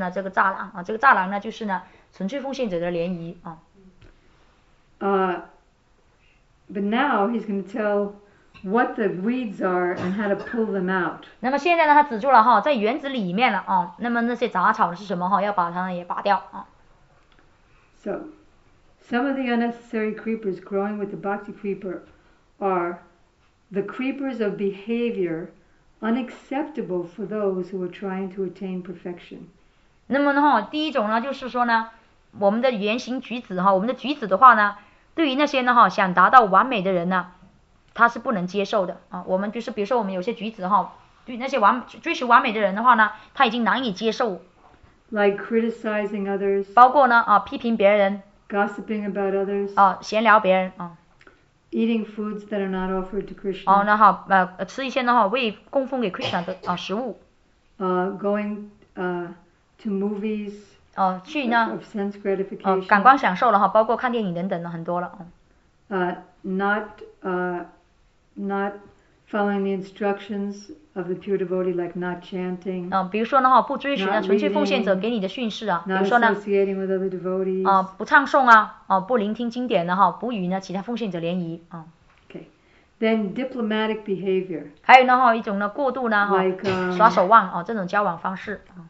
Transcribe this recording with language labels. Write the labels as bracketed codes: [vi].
[zh] 那么刚才他讲到了这个野象，这个对Vaishnava冒犯这个野象的这个方法呢，就是这个栅栏，这个栅栏呢，就是纯粹奉献者的联谊。 [en] But now he's going to tell what the weeds are and how to pull them out. [zh] 那么现在呢，他止住了在园子里面了那么那些杂草是什么要把它也拔掉。So, [en] some of the unnecessary creepers growing with the bhakti creeper are the creepers of behavior unacceptable for those who are trying to attain perfection. [zh] 那么第一种就是说我们的言行举止的话对于那些想达到完美的人呢 他是不能接受的，比如说我们有些举止追求完美的人的话呢，他已经难以接受。 [en] Like criticizing others. [zh] 包括呢，批评别人。 [en] Gossiping about others. [zh] 闲聊别人。 [en] Eating foods that are not offered to Krishna. [zh] 吃一些未供奉给 Krishna 的食物。 [en] Going to movies. [zh] 去呢。 [en] Of sense gratification. [zh] 感官享受了，包括看电影等等的很多了。 [en] Not following the instructions of the pure devotee, like not chanting. [zh] 比如说不追寻纯粹奉献者给你的训示，比如说呢。 [en] With other devotees. [zh] 不唱诵，不聆听经典，不与其他奉献者联谊。 [en] Okay. Then diplomatic behavior. [zh] 还有一种过度，耍手腕，这种交往方式。